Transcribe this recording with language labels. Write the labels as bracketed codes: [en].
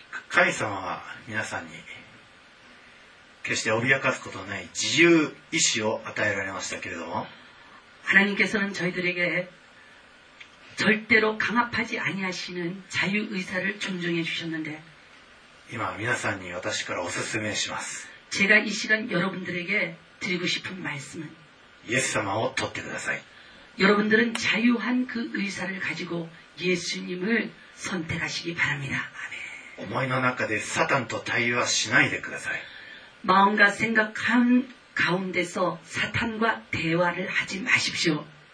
[ja] 神様は皆さんに決して脅かすことのない自由意志を与えられましたけれども [ko] 하나님께서는저희들에게절대로강압하지아니하시는자유의사를존중해주셨는데 [ja] 今皆さんに私からおすすめします [ko] 제가이시간여러분들에게드리고싶은말씀은 [ja] 예수様を取ってください [ko] 여러분들은자유한그의사를가지고예수님을선택하시기바랍니다아멘 [ja] 思いの中でサタンと対話しないでください [ko] 마음과생각한가운데서사탄과대화를하지마십시오